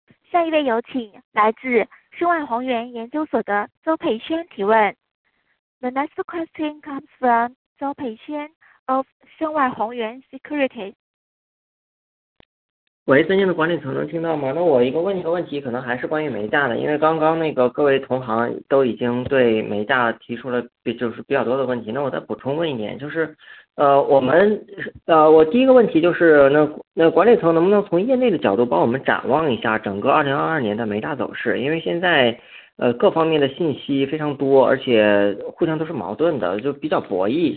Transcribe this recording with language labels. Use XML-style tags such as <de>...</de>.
<zh>下一位有请来自申万宏源研究所的邹培轩提问。</zh> <en>The next question comes from 邹培轩 of 申万宏源 Securities.</en> <zh>喂，尊敬的管理层能听到吗？那我一个问一个问题，可能还是关于煤价的，因为刚刚那个各位同行都已经对煤价提出了就是比较多的问题，那我再补充问一点，就是我第一个问题就是那管理层能不能从业内的角度帮我们展望一下整个2022年的煤价走势，因为现在各方面的信息非常多，而且互相都是矛盾的，就比较博弈。</zh>